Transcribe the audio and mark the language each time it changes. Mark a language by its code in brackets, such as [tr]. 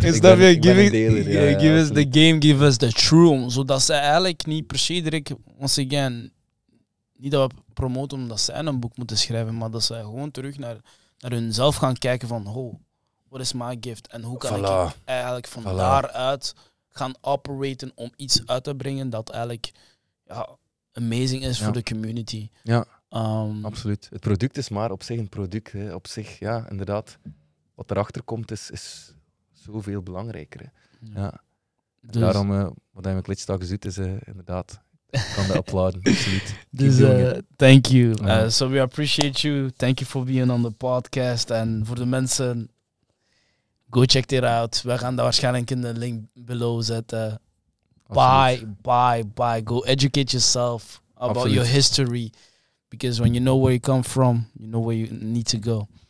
[en] Give us the game, give us the truth. [nl] Zodat ze eigenlijk niet per se direct, [en] once again, [nl] niet dat we promoten omdat zij een boek moeten schrijven, maar dat zij gewoon terug naar hunzelf gaan kijken van, [en] oh, what is my gift? [nl] En hoe kan ik eigenlijk van daaruit... gaan operaten om iets uit te brengen dat eigenlijk amazing is voor de community. Ja, absoluut. Het product is maar op zich een product. Hè. Op zich, ja, inderdaad. Wat erachter komt, is zoveel belangrijker. Hè. Ja. Ja. Dus. Daarom, wat hij met Clitch Talks doet, is inderdaad, ik kan dat applauden. Absoluut. Dus, [en] thank you. So we appreciate you. Thank you for being on the podcast. [nl] En voor de mensen... [en] Go check it out. [nl] We gaan dat waarschijnlijk in de [en] link below [nl] zetten. [en] Buy. Go educate yourself about your history. Because when you know where you come from, you know where you need to go.